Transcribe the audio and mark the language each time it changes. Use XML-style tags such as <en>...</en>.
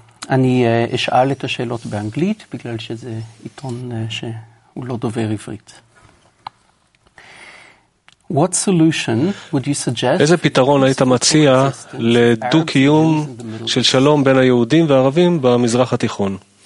<he>אני אשאל את השאלות באנגלית, בגלל שזה עיתון שהוא לא דובר עברית.</he> <en>What solution would you suggest?</en> <he>איזה פתרון היית מציע לדו-קיום של שלום בין היהודים והערבים במזרח התיכון?</he>